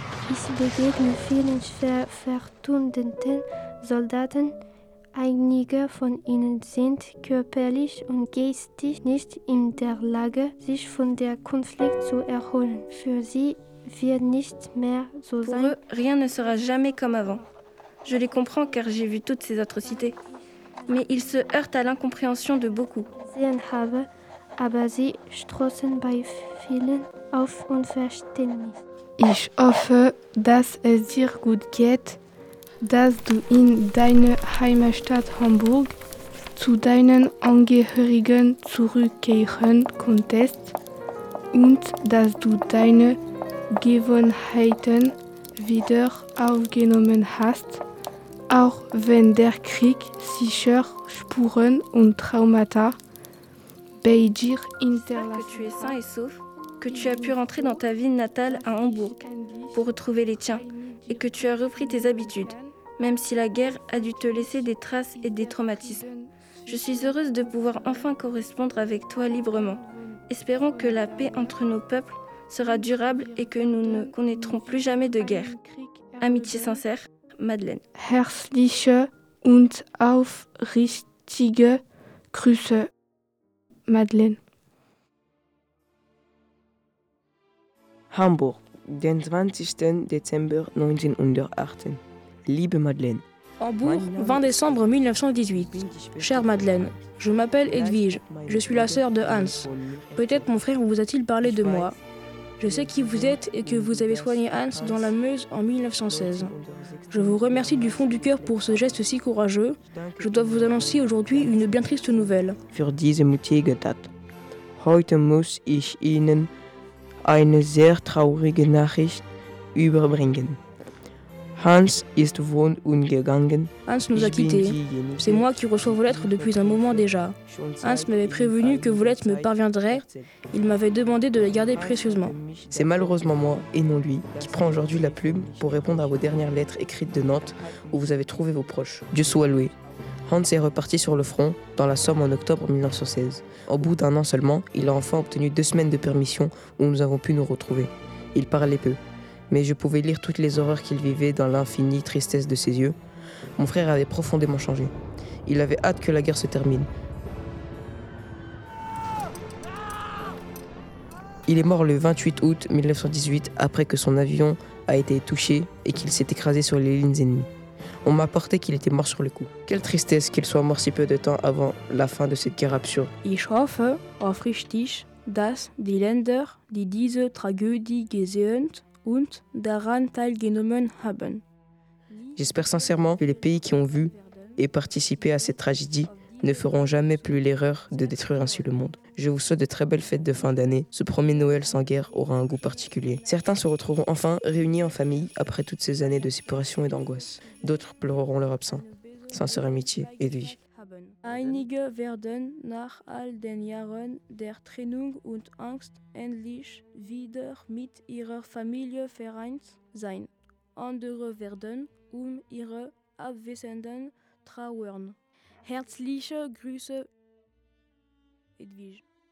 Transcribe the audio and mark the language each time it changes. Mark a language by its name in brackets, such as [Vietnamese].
[German] Ich begegne vielen schwer verwundeten Soldaten. Einige von ihnen sind körperlich und geistig nicht in der Lage, sich von der Konflikt zu erholen. Für sie wird nicht mehr so [French] Pour [German] sein. [French] Pour eux, rien ne sera jamais comme avant. Je les comprends car j'ai vu toutes ces atrocités. Mais ils se heurtent à l'incompréhension de beaucoup. [German] Sehen habe, aber sie stoßen bei vielen auf Unverständnis. Ich hoffe, dass es dir gut geht, dass du in deine Heimatstadt Hamburg zu deinen Angehörigen zurückkehren konntest und dass du deine Gewohnheiten wieder aufgenommen hast, auch wenn der Krieg sicher Spuren und Traumata bei dir hinterlassen hat. [French] Que tu as pu rentrer dans ta ville natale à Hambourg pour retrouver les tiens et que tu as repris tes habitudes, même si la guerre a dû te laisser des traces et des traumatismes. Je suis heureuse de pouvoir enfin correspondre avec toi librement. Espérons que la paix entre nos peuples sera durable et que nous ne connaîtrons plus jamais de guerre. Amitié sincère, Madeleine. [German] Herzliche und aufrichtige Grüße, Madeleine. Hamburg, den 20. Dezember 1918. Liebe Madeleine. [French] Hambourg, 20 décembre 1918. Chère Madeleine, je m'appelle Edwige. Je suis la sœur de Hans. Peut-être mon frère vous a-t-il parlé de moi. Je sais qui vous êtes et que vous avez soigné Hans dans la Meuse en 1916. Je vous remercie du fond du cœur pour ce geste si courageux. Je dois vous annoncer aujourd'hui une bien triste nouvelle. [German] Für diese mutige Tat. Heute muss ich Ihnen eine sehr traurige Nachricht überbringen. Hans ist wohl umgegangen. [French] Hans nous a quittés. C'est moi qui reçois vos lettres depuis un moment déjà. Hans m'avait prévenu que vos lettres me parviendraient. Il m'avait demandé de les garder précieusement. C'est malheureusement moi, et non lui, qui prends aujourd'hui la plume pour répondre à vos dernières lettres écrites de Nantes où vous avez trouvé vos proches. Dieu soit loué. Hans est reparti sur le front, dans la Somme en octobre 1916. Au bout d'un an seulement, il a enfin obtenu 2 semaines de permission où nous avons pu nous retrouver. Il parlait peu, mais je pouvais lire toutes les horreurs qu'il vivait dans l'infinie tristesse de ses yeux. Mon frère avait profondément changé. Il avait hâte que la guerre se termine. Il est mort le 28 août 1918 après que son avion a été touché et qu'il s'est écrasé sur les lignes ennemies. On m'a apporté qu'il était mort sur le coup. Quelle tristesse qu'il soit mort si peu de temps avant la fin de cette guerre absurde. [German] Ich hoffe auf richtig, dass die Länder, die diese Tragödie gesehen und daran teilgenommen haben. [French] J'espère sincèrement que les pays qui ont vu et participé à cette tragédie ne feront jamais plus l'erreur de détruire ainsi le monde. Je vous souhaite de très belles fêtes de fin d'année. Ce premier Noël sans guerre aura un goût particulier. Certains se retrouveront enfin réunis en famille après toutes ces années de séparation et d'angoisse. D'autres pleureront leur absence. Sincère amitié, Edwige. [German] Einige werden nach all den Jahren der Trennung und Angst endlich wieder mit ihrer Familie vereint sein. Andere werden um ihre Abwesenden trauern. Herzliche Grüße, Edwige.